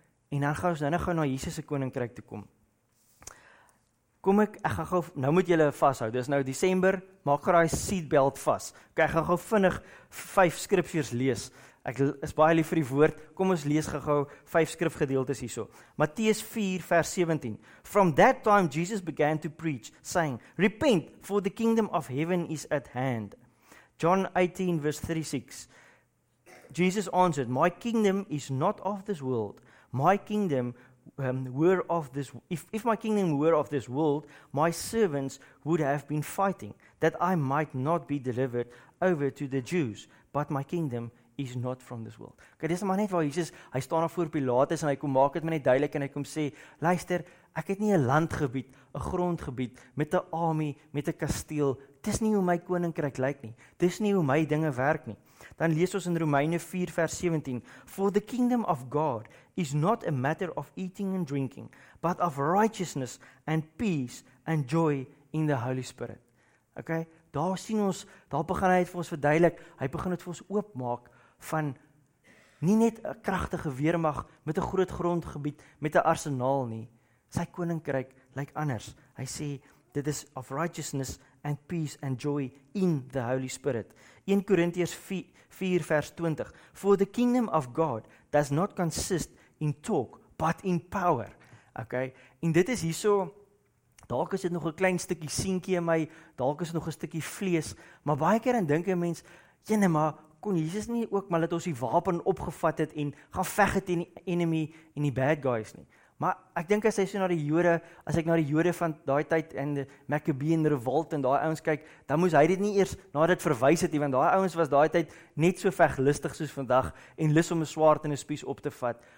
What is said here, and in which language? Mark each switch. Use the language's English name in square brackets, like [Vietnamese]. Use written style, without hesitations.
[Afrikaans] En dan gaan ons nou gaan na Jesus se koninkryk toe kom. Kom ek gaan gou, nou moet julle vashou, dis nou December, maak graai seatbelt vas. Ok, ek gaan gou vinnig 5 skripvers lees. Ek is baie lief vir die woord, kom ons lees gou 5 skrifgedeeltes hierso. Matteus 4 vers 17, [English] from that time Jesus began to preach, saying, repent, for the kingdom of heaven is at hand. John 18 verse 36, Jesus answered, my kingdom is not of this world. My kingdom were of this. If my kingdom were of this world, my servants would have been fighting, that I might not be delivered over to the Jews. But my kingdom is not from this world. [Afrikaans] Okay, dis maar net waar Jesus, hy staan voor Pilatus en hy kom maak het my net duidelik en hy kom sê, luister, ek het nie 'n landgebied, 'n grondgebied, met 'n army, met 'n kasteel. Dis nie hoe my koninkryk lyk nie. Dis nie hoe my dinge werk nie. Dan lees ons in Romeine 4 vers 17, [English] for the kingdom of God is not a matter of eating and drinking, but of righteousness and peace and joy in the Holy Spirit. [Afrikaans] Okay, daar sien ons, daar begin hy het vir ons verduidelik, hy begin het vir ons oopmaak van nie net 'n kragtige weermag met 'n groot grondgebied, met 'n arsenaal nie. Sy koninkryk lyk anders. Hy sê, dit is [English] of righteousness and peace and joy in the Holy Spirit. 1 Korintiërs 4 vers 20, for the kingdom of God does not consist in talk, but in power. [Afrikaans] Okay, en dit is hierso, dalk is dit nog 'n klein stukkie seentjie in my, dalk is nog 'n stukkie vlees, maar baie keer dan dink 'n mens, jene maar, kon Jesus nie ook maar dat ons die wapen opgevat het en gaan veg het teen die enemy en die [English] bad guys [Afrikaans] nie. Maar ek dink as hy so na die Jode, as ek na die Jode van daai tyd en die Maccabean revolt en daai ouens kyk, dan moes hy dit nie eers na dit verwys het nie, want daai ouens was daai tyd net so veglustig soos vandag en lus om 'n swaard en 'n spies op te vat.